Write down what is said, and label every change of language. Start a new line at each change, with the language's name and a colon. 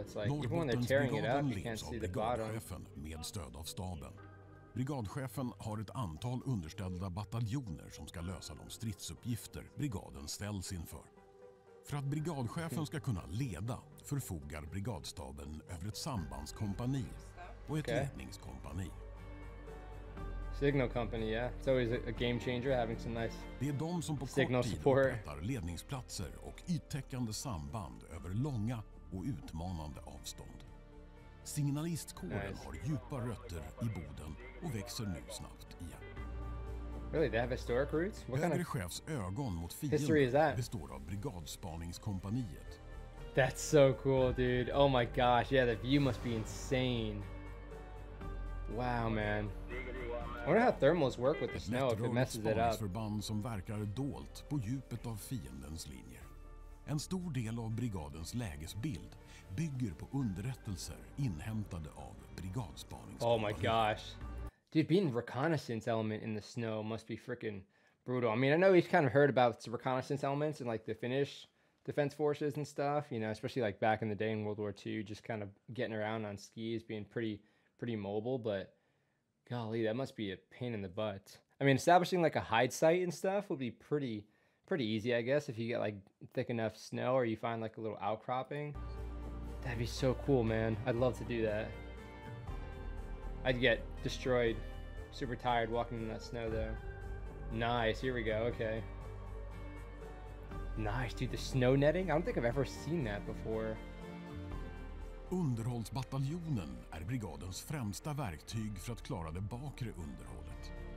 English: It's like, even when they're tearing it up, you can't see the bottom.
Swedish: Brigadchefen med stöd av staben. Brigadchefen har ett antal underställda bataljoner som ska lösa de stridsuppgifter brigaden ställs inför. För att brigadchefen ska kunna leda förfogar brigadstaben över ett sambandskompani och ett ledningskompani.
English: Signal company, yeah. It's always a game changer having some nice signal support.
Swedish: Det är de som på kort tid upprättar ledningsplatser och yttäckande samband över långa och utmanande avstånd. Signalistkåren har djupa rötter i Boden och växer nu snabbt igen.
English: Really, they have historic roots? What kind of history is that?
Swedish: Ögon mot fienden består av brigadspaningskompaniet.
English: That's so cool, dude. Oh my gosh, yeah, the view must be insane. Wow, man. I wonder how thermals work with the snow if it messes it up.
Swedish: Ett spaningsförband som verkar dolt på djupet av fiendens linjer. En stor del av brigadens lägesbild bygger på underrättelser inhämtade av brigadspaningskompaniet.
English: Oh my gosh. Dude, being the reconnaissance element in the snow must be freaking brutal. I mean, I know we've kind of heard about the reconnaissance elements in like the Finnish defense forces and stuff, you know, especially like back in the day in World War II, just kind of getting around on skis, being pretty mobile, but golly, that must be a pain in the butt. I mean, establishing like a hide site and stuff would be pretty easy, I guess, if you get like thick enough snow or you find like a little outcropping. That'd be so cool, man. I'd love to do that. I'd get destroyed, super tired walking in that snow though. Nice, here we go, okay. Nice, dude, the snow netting? I don't think I've ever seen that before.
Swedish: Underhållsbataljonen är brigadens främsta verktyg för att klara det bakre underhållet.